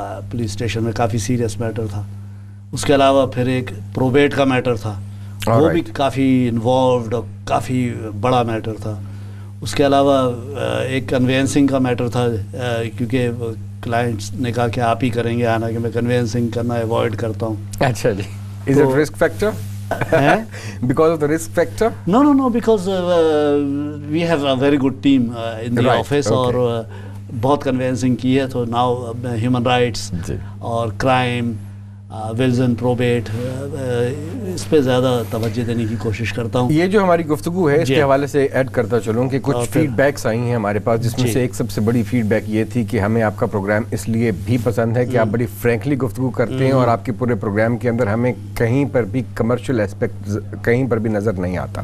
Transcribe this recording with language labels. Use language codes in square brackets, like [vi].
[ur] police station میں کافی serious metre تھا اس کے علاوہ پھر ایک پروبیٹ کا میٹر تھا وہ بھی کافی انوالوڈ اور کافی بڑا میٹر تھا اس کے علاوہ ایک کنوینسنگ کا میٹر تھا کیونکہ کلائنٹس نے کہا کہ آپ ہی کریں گے حالانکہ میں کنوینسنگ کرنا اوائڈ کرتا ہوں [en] اچھا جی is it risk factor because of the risk factor no no no because we have a very good team in the office [ur] اور بہت کنوینسنگ کی ہے تو ناؤ ہیومن رائٹس اور کرائم ویلز اینڈ پروبیٹ اس پہ زیادہ توجہ دینے کی کوشش کرتا ہوں یہ جو ہماری گفتگو ہے اس کے حوالے سے ایڈ کرتا چلوں کہ کچھ فیڈ بیکس آئی ہیں ہمارے پاس جس میں سے ایک سب سے بڑی فیڈ بیک یہ تھی کہ ہمیں آپ کا پروگرام اس لیے بھی پسند ہے کہ آپ بڑی فرینکلی گفتگو کرتے ہیں اور آپ کے پورے پروگرام کے اندر ہمیں کہیں پر بھی کمرشل اسپیکٹ کہیں پر بھی نظر نہیں آتا